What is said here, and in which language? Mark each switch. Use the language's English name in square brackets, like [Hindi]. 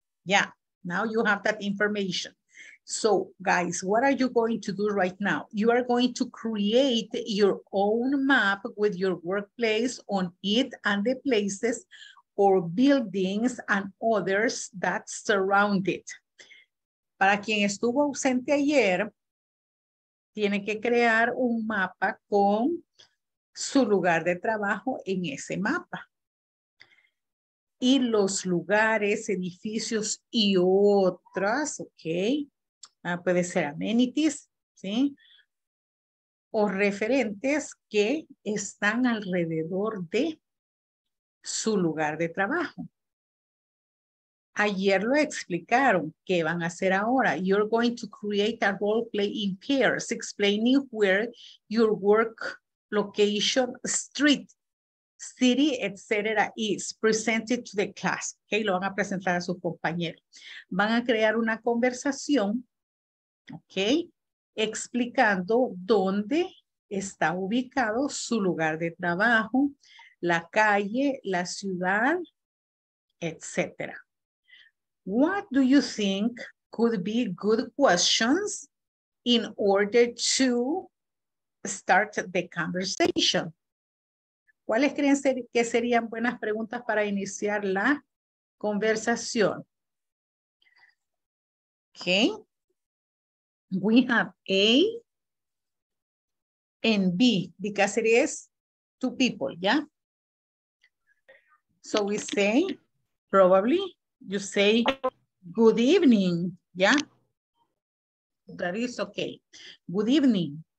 [English] Yeah, now you have that information. So guys, what are you going to do right now? You are going to create your own map with your workplace on it and the places or buildings and others that surround it. [Spanish] Para quien estuvo ausente ayer, tiene que crear un mapa con su lugar de trabajo en ese mapa. Y los lugares, edificios y otras, ok. Puede ser amenities, ¿sí? O referentes que están alrededor de su lugar de trabajo. Ayer lo explicaron. ¿Qué van a hacer ahora? [English] You're going to create a role play in pairs explaining where your work location, street, city, etc. is presented to the class. [Spanish] Okay, lo van a presentar a sus compañeros. Van a crear una conversación, okay, explicando dónde está ubicado su lugar de trabajo, la calle, la ciudad, etc. [English] What do you think could be good questions in order to start the conversation? [Spanish] ¿Cuáles creen que serían buenas preguntas para iniciar la conversación? [English] Okay. We have A and B, because it is two people, yeah? So we say, probably, you say, good evening, yeah? That is okay. Good evening.